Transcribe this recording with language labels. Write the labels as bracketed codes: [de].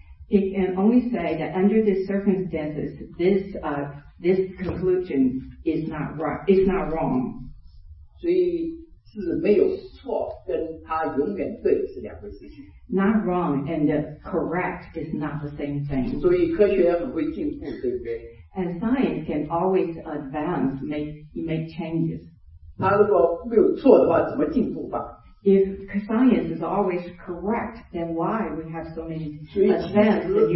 [en] It can only say that under the circumstances, this conclusion is not right, is not wrong. [zh] 所以是没有错，跟它永远对是两回事情。 [en] Not wrong and correct is not the same thing. [zh] 所以科学很会进步，对不对？ [en] And science can always advance, make changes. [zh] 它如果没有错的话，怎么进步吧？ [en] If science is always correct, then why we have so many advances?